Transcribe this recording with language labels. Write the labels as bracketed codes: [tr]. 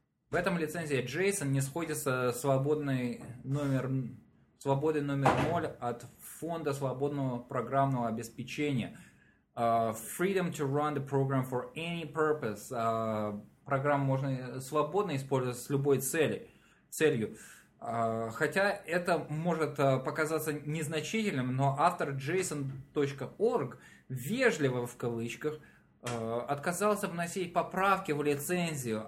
[ru] В этом лицензии JSON не сходится свободный номер 0 от фонда свободного программного обеспечения. [en] Freedom to run the program for any purpose. [ru] Программу можно свободно использовать с любой целью. Хотя это может показаться незначительным, но автор JSON.org вежливо в кавычках отказался вносить поправки в лицензию.